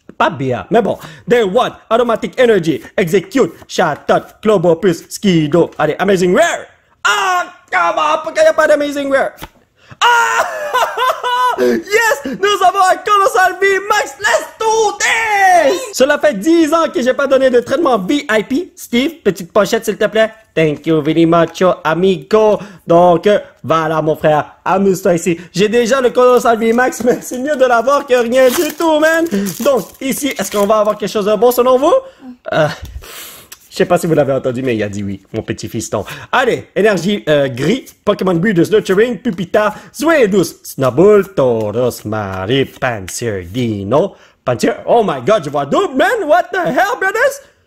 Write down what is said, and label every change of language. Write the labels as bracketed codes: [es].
[fr] Pas Bia, mais bon. Day One, Aromatic Energy, Execute, Shatot, Clobopus, Skido. Allez, Amazing Rare! Ah! [en] Come on, [fr] pourquoi y'a pas d'Amazing Rare? Ah! [en] Yes! [fr] Nous avons un colossal V-Max! [en] Let's do this! [fr] Cela fait 10 ans que j'ai pas donné de traitement VIP. Steve, petite pochette, s'il te plaît. [en] Thank you very much, amigo. [fr] Donc, voilà, mon frère. Amuse-toi ici. J'ai déjà le colossal V-Max, mais c'est mieux de l'avoir que rien du tout, man. Donc, ici, est-ce qu'on va avoir quelque chose de bon selon vous? Je sais pas si vous l'avez entendu, mais il a dit oui, mon petit fiston. Allez, énergie gris, Pokémon Breeders Nurturing, Pupita, Zweilous, Snubbull, Tauros, Marie, Pantsir, Dino, Pantsir, [en] oh my god, [fr] je vois double, man, [en] what the hell, brothers?